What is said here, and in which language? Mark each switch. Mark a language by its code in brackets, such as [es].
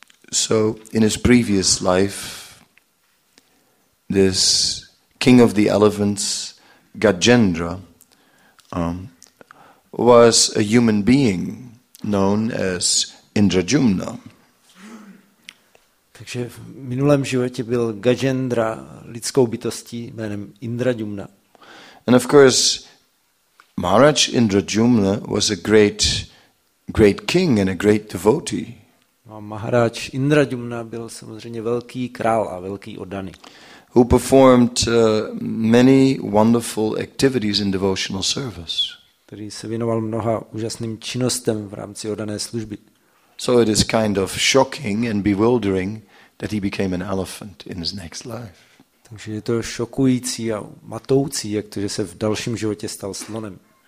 [en] So, in his previous life, this king of the elephants, Gajendra, was a human being known as Indrajumna. [cs] Takže v minulém životě byl Gajendra lidskou bytostí jménem Indrajumna. [en] And of course, Maharaj Indrajumna was a great king and a great devotee. [cs] A Maharaj Indrajumna byl samozřejmě velký král a velký oddaný. [en] Who performed many wonderful activities in devotional service. [cs] Který se věnoval mnoha úžasným činnostem v rámci oddané služby. [en] So it is kind of shocking and bewildering that he became an elephant in his next life. [cs] Takže je to šokující a matoucí, jak to, že se v dalším životě stal slonem.